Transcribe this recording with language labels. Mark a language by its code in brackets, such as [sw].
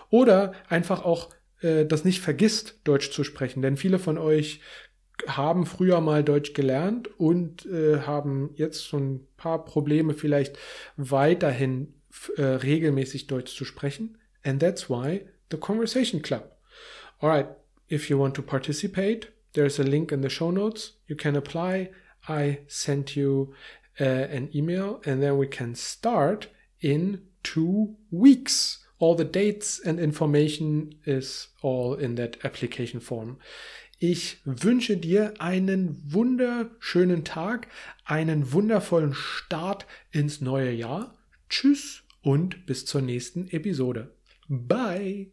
[de] Oder einfach auch, dass nicht vergisst, Deutsch zu sprechen. Denn viele von euch haben früher mal Deutsch gelernt und haben jetzt so ein paar Probleme, vielleicht weiterhin regelmäßig Deutsch zu sprechen. [en] And that's why the Conversation Club. Alright, if you want to participate, there's a link in the show notes. You can apply. I sent you an email and then we can start in 2 weeks. All the dates and information is all in that application form. [de] Ich wünsche dir einen wunderschönen Tag, einen wundervollen Start ins neue Jahr. Tschüss und bis zur nächsten Episode. Bye!